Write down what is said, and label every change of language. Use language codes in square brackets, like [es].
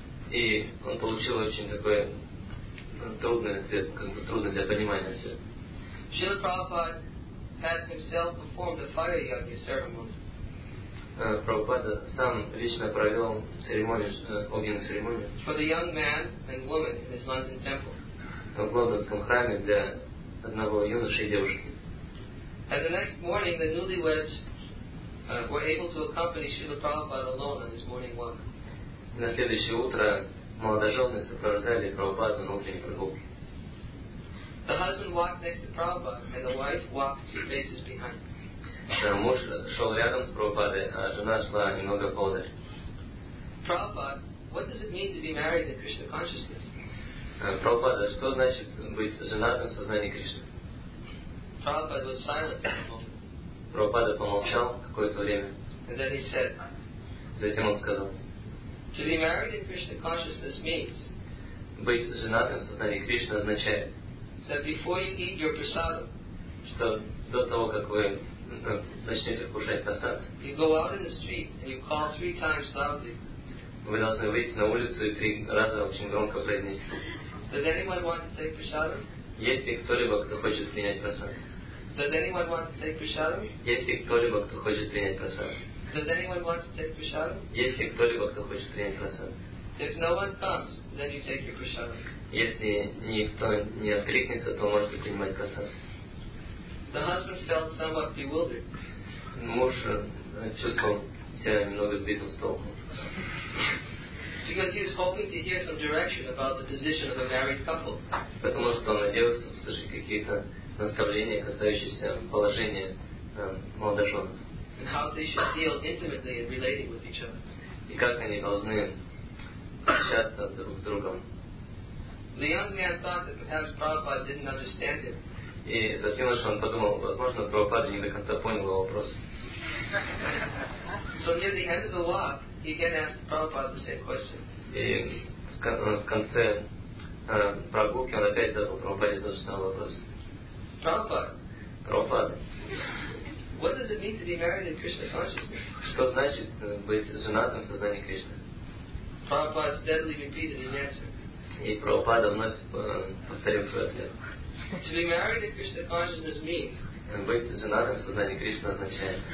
[ru] И он получил очень такой трудный ответ, как бы трудный для понимания ответ. [en] Srila Prabhupada had himself performed a fire yagya ceremony. [ru] Прабхупада сам лично провел огненную церемонию. [en] For the young man and woman in his London temple. [ru] В лондонском храме для одного юноши и девушки. [en] And the next morning the newlyweds were able to accompany Srila Prabhupada alone on his morning walk. [ru] На следующее утро молодожены сопровождали Прабхупаду на утренней прогулке. [en] The husband walked next to Prabhupada and the wife walked 2 paces behind. [ru] Муж шел рядом с Прабхупадой, а жена шла немного поодаль. [en] Prabhupada, what does it mean to be married in Krishna consciousness? [ru] Прабхупада, что значит быть женатым в сознании Кришны? [en] Prabhupada was silent for a moment. [ru] Прабхупада помолчал какое-то время. [en] And then he said, [ru] затем он сказал, [en] to be married in Krishna consciousness means, [ru] быть женатым в сознании Кришны означает, [en] that before you eat your prasadam, [ru] что до того, как вы начнете кушать просад, [en] you go out in the street and you call three times loudly. [ru] Вы должны выйти на улицу и три раза очень громко произнести. [en] Does anyone want to take prasadam? [ru] Есть ли кто-либо, кто хочет принять просад? [en] Does anyone want to take prasadam? [ru] Есть ли кто-либо, кто хочет принять просад? [en] Does anyone want to take prasadam? [ru] Есть ли кто-либо, кто хочет принять просад? [en] If no one comes, then you take your prasadam. [ru] Если никто не откликнется, то можете принимать просад. [en] The husband felt somewhat bewildered. [ru] Муж чувствовал себя немного сбитым с толку. [en] Because he was hoping to hear some direction about the position of a married couple. [ru] Потому что он надеялся услышать какие-то наставления, касающиеся положения молодоженов. [en] And how they should deal intimately in relating with each other. [ru] И как они должны общаться друг с другом. [en] The young man thought that perhaps Prabhupada didn't understand him. [ru] И этот юноша, он подумал, возможно, Прабхупада не до конца понял его вопрос. [en] So near the end of the walk, he again asked Prabhupada the same question. [ru] И в конце прогулки он опять задал Прабхупаде тот же самый вопрос. Прабхупада. [en] What does it mean to be married in Krishna consciousness? [ru] Что значит быть женатым в сознании Кришны? [en] Prabhupada steadily repeated his answer. [ru] И Прабхупада вновь повторил свой ответ. [en] To be married in Krishna consciousness means. [ru] Быть женатым в сознании Кришны означает.